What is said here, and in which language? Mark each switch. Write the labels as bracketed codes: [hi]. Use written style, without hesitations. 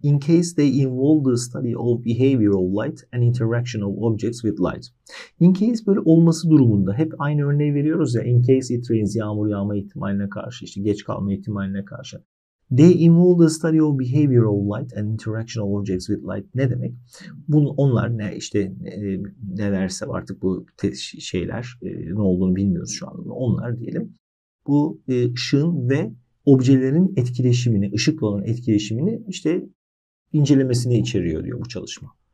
[en] In case they involve the study of behavioral light and interaction of objects with light. [tr] In case böyle olması durumunda. Hep aynı örneği veriyoruz ya. [en] In case it rains, [tr] yağmur yağma ihtimaline karşı, işte geç kalma ihtimaline karşı. [en] They involve the study of behavioral light and interaction of objects with light. [tr] Ne demek? Bunu onlar ne işte nelerse artık bu şeyler ne olduğunu bilmiyoruz şu anda. Onlar diyelim. Bu ışığın ve objelerin etkileşimini, ışıkla olan etkileşimini işte incelemesini içeriyor diyor bu çalışma.